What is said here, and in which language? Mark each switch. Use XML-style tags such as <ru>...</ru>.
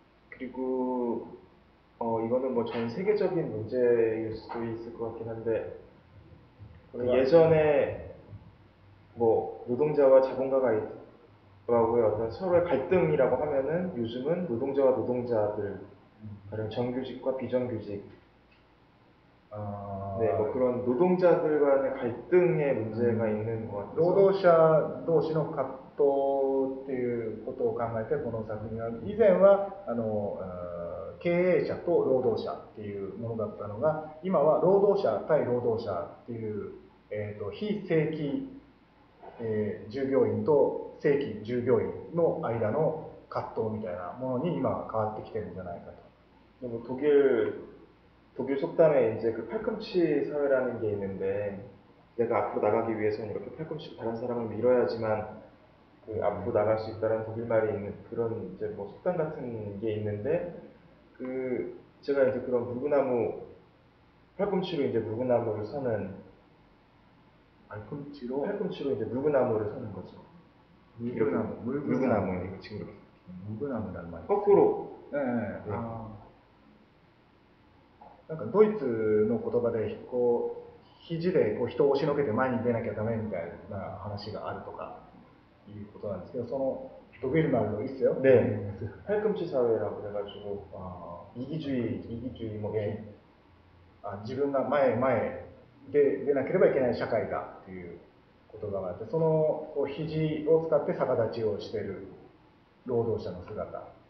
<ko>그리고 이거는 뭐전 세계적인 문제일 수도 있을 것 같긴 한데 예전에 뭐 노동자와 자본가가 있더라고요. 어떤 서로의 갈등이라고 하면은 요즘은 노동자와 노동자들 가령 정규직과 비정규직 네, 뭐 그런 노동자들 간의 갈등의 문제가 있는 것 같아서</ko> <ja>労働者同士の葛藤っていうことを考えて、この作品は、以前は経営者と労働者っていうものだったのが、今は労働者対労働者っていう、非正規、従業員と正規従業員の間の葛藤みたいなものに今は変わってきてるんじゃないかと。</ja> <ko>뭐 독일 속담에 이제 그 팔꿈치 사회라는 게 있는데, 내가 앞으로 나가기 위해서는 이렇게 팔꿈치로 다른 사람을 밀어야지만 그 앞으로 나갈 수 있다는 독일 말이 있는 그런 이제 뭐 속담 같은 게 있는데, 그 제가 이제 그런 물구나무 팔꿈치로 이제 물구나무를 서는 팔꿈치로 팔꿈치로 이제 물구나무를 서는 거죠. 이렇게 물구나무 이거 지금 이렇게 물구나무란 말이 거꾸로. 있어요. 네.</ko> <ja>なんかドイツの言葉でこう肘でこう人を押しのけて前に出なきゃダメみたいな話があるとかいうことなんですけど、そのドビルマンの一世よ。</ja> <ko>네, 팔꿈치 사회라고 그래가지고 이기주의 뭐</ko> <ja>예, 自分が前で出なければいけない社会だっていう言葉があって、そのこう肘を使って逆立ちをしている労働者の姿。</ja>